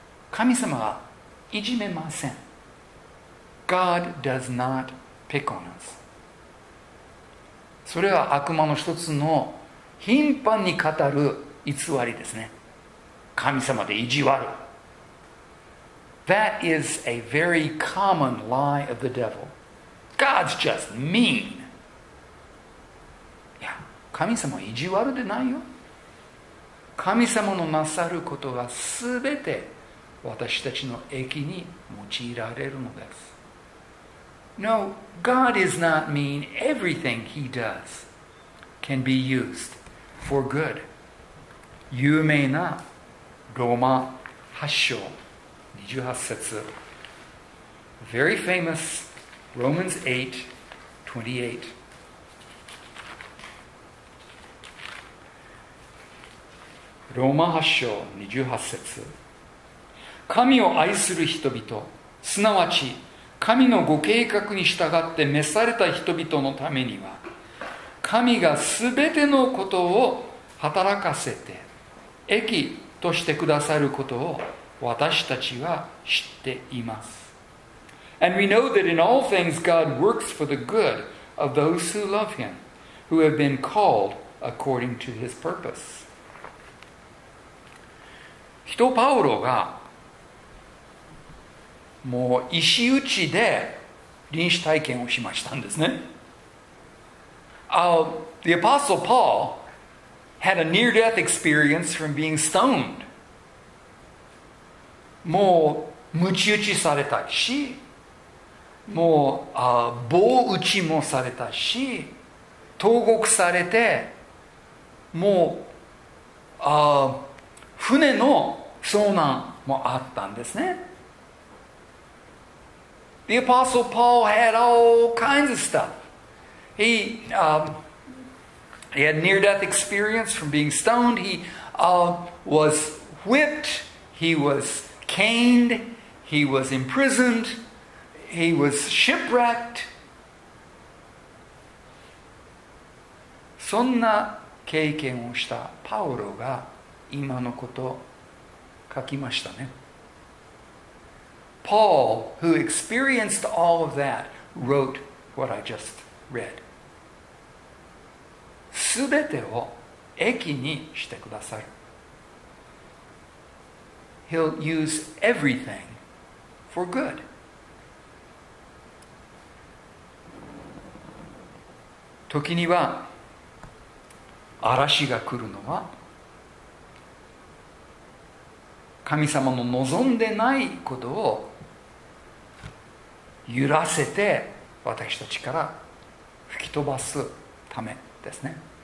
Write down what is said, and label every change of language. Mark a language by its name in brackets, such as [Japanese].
[Japanese] 神様はいじめません。 [English] God does not pick on us. [Japanese] それは悪魔の一つの頻繁に語る偽りですね。神様で意地悪。 [English] That is a very common lie of the devil. God's just mean. [Japanese] いや、神様は意地悪でないよ。神様のなさることはすべて私たちの益に用いられるのです。 [English] No, God is not mean. Everything He does can be used for good. [Japanese] 有名なローマ8章28節。 [English] Very famousRomans 8:28 [Japanese] ローマ8章28節神を愛する人々すなわち神のご計画に従って召された人々のためには神がすべてのことを働かせて益としてくださることを私たちは知っています [English] And we know that in all things God works for the good of those who love Him, who have been called according to His purpose. [Japanese] 人パウロがもう石打ちで臨死体験をしましたんですね。 [English] The Apostle Paul had a near-death experience from being stoned. [Japanese] もう鞭打ちされたし、もう棒打ちもされたし、投獄されて、もう船の遭難もあったんですね。 [English] The Apostle Paul had all kinds of stuff. He had near-death experience from being stoned. He was whipped. He was caned. He was imprisoned. He was shipwrecked. [Japanese] そんな経験をしたパウロが今のことを書きましたね。 [English] Paul, who experienced all of that, wrote what I just read. [Japanese] すべてを益にしてくださる。 [English] He'll use everything for good. [Japanese] ときには嵐が来るのは神様の望んでないことを揺らせて私たちから吹き飛ばすためですね。